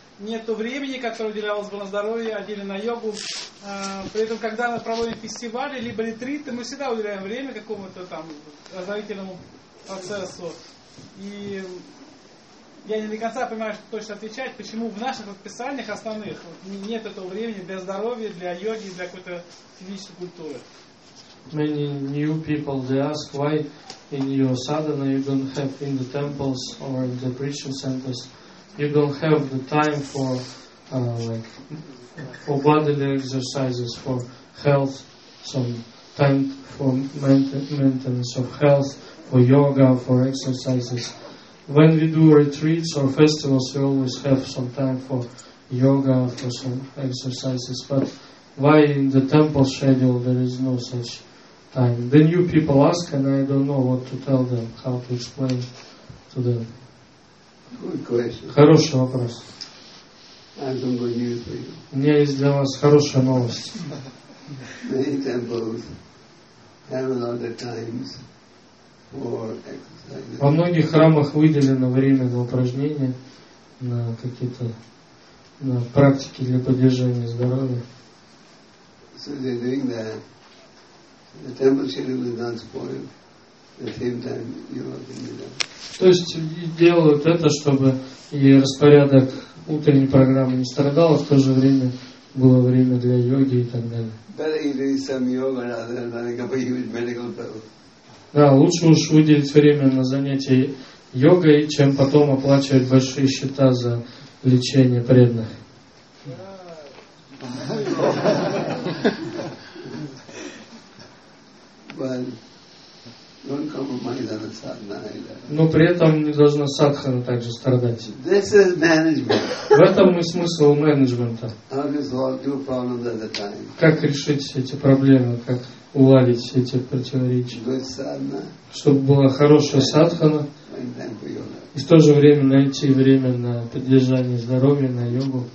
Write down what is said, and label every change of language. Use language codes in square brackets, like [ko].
[ru] Нет времени, которое уделялось бы на здоровье, отдельно на йогу. При этом, когда мы проводим фестивали, либо ретриты, мы всегда уделяем время какому-то там оздоровительному процессу. И я не до конца понимаю, что точно отвечать, почему в наших расписаниях основных нет этого времени для здоровья, для йоги, для какой-то физической культуры. [en] Many new people, they ask why in your sadhana you don't have in the temples or in the preaching centers, you don't have the time for like for bodily exercises, for health, some time for maintenance of health, for yoga, for exercises. When we do retreats or festivals, we always have some time for yoga, for some exercises. But why in the temple schedule there is no such time? The new people ask, and I don't know what to tell them, how to explain to them. Good question. [ru] Хороший вопрос. [en] I don't believe it. [ru] У меня есть для вас хорошая новость. [en] Many temples have a lot of times for exercise. [ru] Во многих храмах выделено время на упражнения, на какие-то на практики для поддержания здоровья. [en] So they're doing that. The temple schedule is not spoiled. At the same time, you're working with them. [ru] То есть делают это, чтобы и распорядок утренней программы не страдал, а в то же время было время для йоги и так далее. [en] Better you do some yoga rather than like a huge medical bill. [ru] Да, лучше уж выделить время на занятия йогой, чем потом оплачивать большие счета за лечение преданных. [en] But [ru] Но при этом не должна садхана также страдать. [en] This is management. [ru] В этом и смысл менеджмента. [en] How to solve two problems at a time. [ru] Как решить эти проблемы, как уладить все эти противоречия. [en] Good sadhana. [ru] Чтобы была хорошая садхана. И в то же время найти время на поддержание здоровья, на йогу.